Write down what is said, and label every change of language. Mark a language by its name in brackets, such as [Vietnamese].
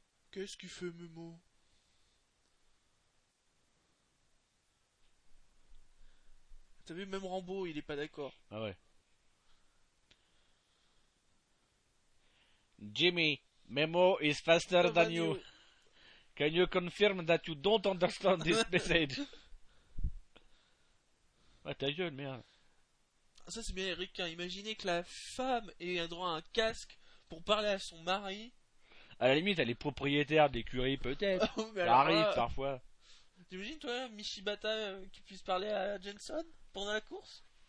[French] Qu'est-ce qu'il fait, Memo? T'as vu, même Rambo, il est pas d'accord. Ah ouais. [English] Jimmy, Memo is faster than you. Can you confirm that you don't understand this message? [French] Ouais, ta gueule, merde. Ça, c'est bien, Eric. Hein. Imaginez que la femme ait un droit à un casque pour parler à son mari. À la limite, elle est propriétaire d'écurie, peut-être. Ça arrive, parfois. T'imagines, toi, Michibata, qui puisse parler à Jensen pendant la course?